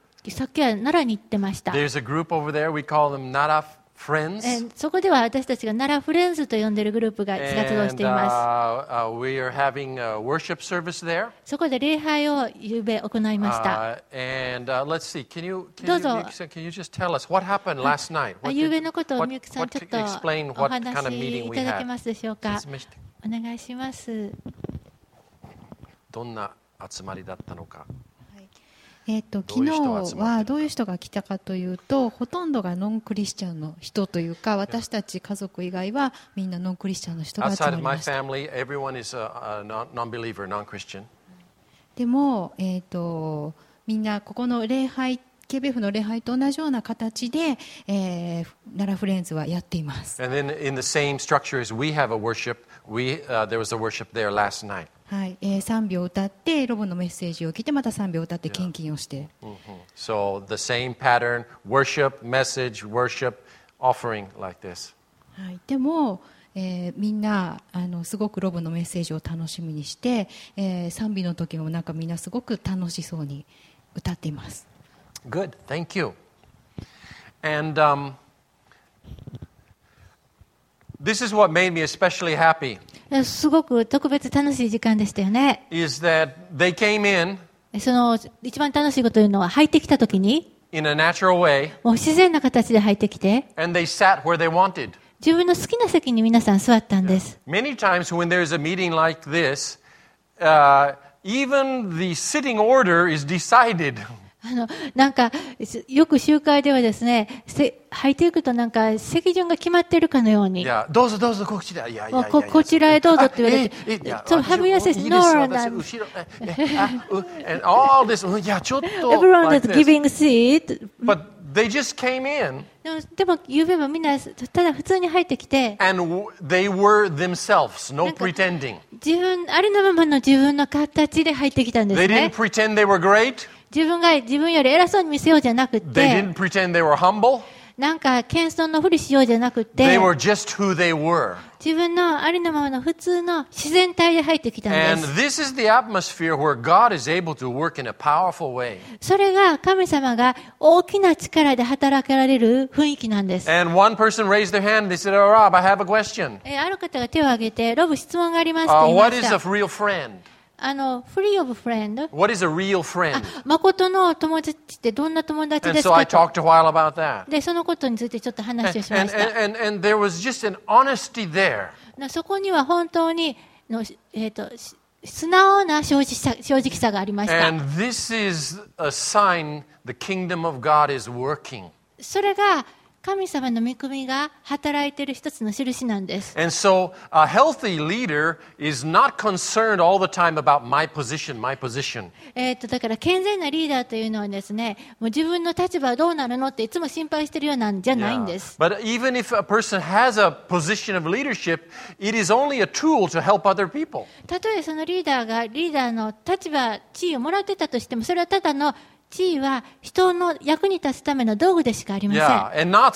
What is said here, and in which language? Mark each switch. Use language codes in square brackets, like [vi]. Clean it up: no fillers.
[ja] さっきは奈良に行ってました。 [en] There's a group over there. We call them Nara Friends. [ja] そこでは私たちが奈良フレンズと呼んでいるグループが活動しています。 [en] We are having a worship service there. [ja] そこで礼拝を昨夜行いました。 [en] Let's see. Can you just tell us what happened last night? [ja] 昨夜のことをみゆきさんちょっとお話しいただけますでしょうか。お願いします。どんな集まりだったのか。昨日はどういう人が来たかというと、ほとんどがノンクリスチャンの人というか、私たち家族以外はみんなノンクリスチャンの人が集まりました。でも、みんなここの礼拝、ケベフの礼拝と同じような形で、奈良フレンズはやっています。 [en] And then in the same structure as we have a worship, there was a worship there last night. [ja] はい、賛美を歌ってロボのメッセージを聞いて、また賛美を歌って献金をして、 [en] So the same pattern, worship, message, worship, offering like this. [ja] はい、でも、みんなすごくロボのメッセージを楽しみにして、賛美の時もなんかみんなすごく楽しそうに歌っています。 [en] Good, thank you. And this is what made me especially happy [ja] すごく特別楽しい時間でしたよね。 [en] Is that they came in, [ja] その一番楽しいことというのは入ってきたときに [en] in a natural way, [ja] もう自然な形で入ってきて [en] and they sat where they wanted. [ja] 自分の好きな席に皆さん座ったんです。 [en] Many times when there is a meeting like this, even the sitting order is decided. [ja] なんかよく集会ではですね、入っていくとなんか席順が決まっているかのように、いやどうぞどうぞこちらへ、いやこちらへどうぞって言われて、そう、ハブヤセノーランです、後ろ、 [en] and all this、 [ja] いやちょっと [en] everyone is giving seat but they just came in、 [ja] でも昨夜はみんなただ普通に入ってきて、 [en] and they were themselves, no pretending、 [ja] 自分ありのままの自分の形で入ってきたんですね。 [en] they didn't pretend they were great、 [ja] 自分が自分より偉そうに見せようじゃなくて、 [en] they didn't pretend they were humble. [ja] なんか謙遜のふりしようじゃなくて、 [en] they were just who they were. [ja] 自分のありのままの普通の自然体で入ってきたんです。 [en] And this is the atmosphere where God is able to work in a powerful way. [ja] それが神様が大きな力で働かれる雰囲気なんです。 [en] And one person raised their hand. They said, "Oh, Rob, I have a question." [ja] ある方が手を挙げて、ロブ質問がありますと言いました。 [en] What is a real friend? あの、free of friend. What is a real friend? [ja] 誠の友達ってどんな友達ですか? [en] And so I talked a while about that. [ja] で、そのことについてちょっと話をしました。 [en] And there was just an honesty there. [ja] そこには本当にの、素直な正直さがありました。 [en] And this is a sign the kingdom of God is working. [ja] それが神様の御国が働いている一つの印なんです。 [en] And so, a healthy leader is not concerned all the time about my position. [ja] だから健全なリーダーというのはですね、もう自分の立場はどうなるのっていつも心配しているようなんじゃないんです。 [en] Yeah. But even if a person has a position of leadership, it is only a tool to help other people. [ja] たとえそのリーダーがリーダーの立場、地位をもらってたとしても、それはただの地位は人の役に立つための道具でしかありません。